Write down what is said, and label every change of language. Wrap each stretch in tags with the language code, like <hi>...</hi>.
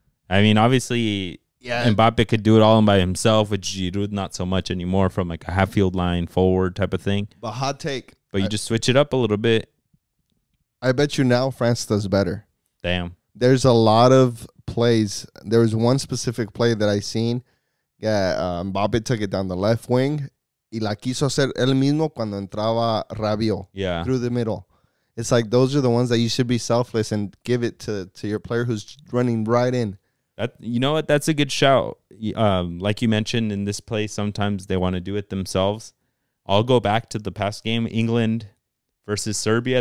<en>I mean, obviously, Mbappe could do it all by himself, with Giroud not so much anymore from like a half-field line forward type of thing. But hot take. But you just switch it up a little bit. I bet you now France does better. Damn. There's a lot of plays. There was one specific play that I seen. Mbappe took it down the left wing.</en> <es>Y la quiso hacer el mismo cuando entraba Rabiot.</es> <en>Yeah. Through the middle. It's like those are the ones that you should be selfless and give it to your player who's running right in. That, you know what? That's a good shout. Like you mentioned, in this play, sometimes they want to do it themselves. I'll go back to the past game, England versus Serbia.</en>